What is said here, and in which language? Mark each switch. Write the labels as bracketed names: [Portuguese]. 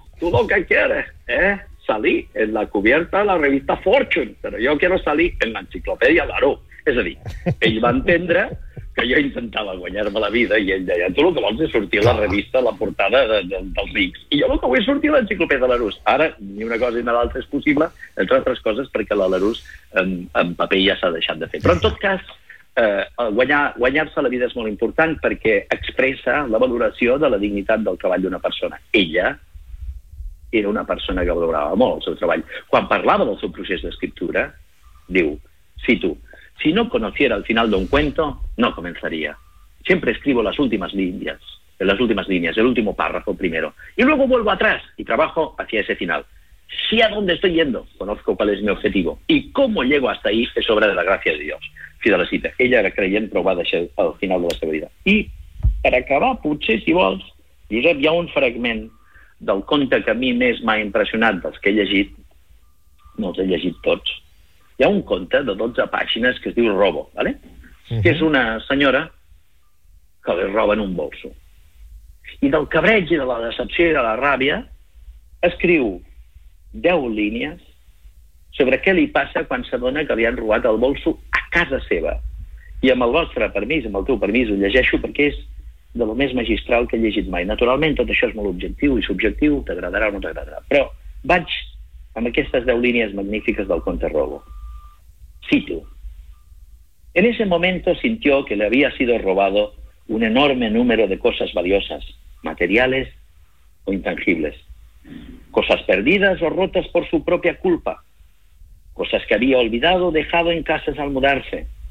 [Spanish] Tú lo que quieres, salir en la cubierta de la revista Fortune, pero yo quiero salir en la enciclopedia Larú. [Catalan] És a dir, ell va entendre que jo intentava guanyar-me la vida i ell deia, tu el que vols és sortir a la revista, a la portada dels rics. I jo el que vull és sortir a l'enciclopèdia de Larús. Ara, ni una cosa ni una altra és possible, entre altres coses, perquè la Larús en paper ja s'ha deixat de fer. Però en tot cas, guanyar-se la vida és molt important perquè expressa la valoració de la dignitat del treball d'una persona. Ella era una persona que valorava molt el seu treball. Quan parlava del seu procés d'escriptura, diu, cito, [Spanish] si no conociera el final de un cuento, no comenzaría. Siempre escribo las últimas líneas, el último párrafo primero. Y luego vuelvo atrás y trabajo hacia ese final. Sé a dónde estoy yendo, conozco cuál es mi objetivo. Y cómo llego hasta ahí es obra de la gracia de Dios. [Catalan] Fi de la cita. Ella era creyente, pero va a deixar el final de la seva vida. I per acabar, potser, si vols, Josep, hi ha un fragment del conte que a mi més m'ha impressionat dels que he llegit. No els he llegit tots. Hi ha un conte de 12 pàgines que es diu Robo, ¿vale? Que és una senyora que li roben un bolso. I del cabreig i de la decepció i de la ràbia escriu 10 línies sobre què li passa quan s'adona que li han robat el bolso a casa seva. I amb el vostre permís, amb el teu permís, ho llegeixo perquè és de lo més magistral que he llegit mai. Naturalment, tot això és molt objectiu i subjectiu, t'agradarà o no t'agradarà. Però vaig amb aquestes 10 línies magnífiques del conte Robo. Cito. [Spanish] En ese momento sintió que le había sido robado un enorme número de cosas valiosas, materiales o intangibles. Cosas perdidas o rotas por su propia culpa. Cosas que había olvidado o dejado en casas al mudarse.